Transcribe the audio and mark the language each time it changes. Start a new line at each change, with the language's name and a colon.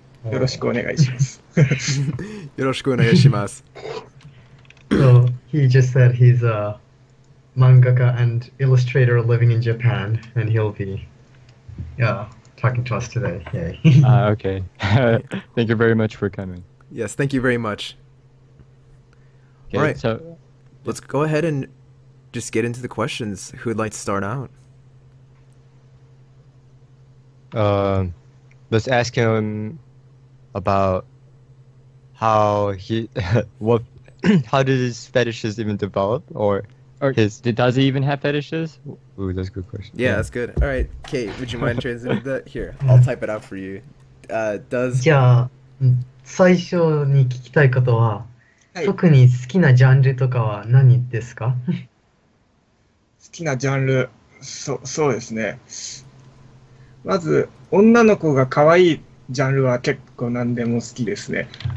Japanese: よろしくお願いします。よろしくお願いします。
English: So he just said he's a manga and illustrator living in Japan and he'll be talking to us today. Yay. Okay. Thank you very much for coming. Yes, thank you very much. Okay, all right, so let's go ahead and just get into the questions. Who'd like to start out? Let's ask him about how he how did his fetishes even develop, or his does he even have fetishes? Ooh, that's a good question. Yeah, that's good. All right, Kate, would you mind translating that? Here, I'll type it out for you. Does
Japanese: yeah, 最初に聞きたいことは。はい、特に好きなジャンルとかは何ですか？好きなジャンル、そうですね。まず、女の子が可愛いジャンルは結構何でも好きですね。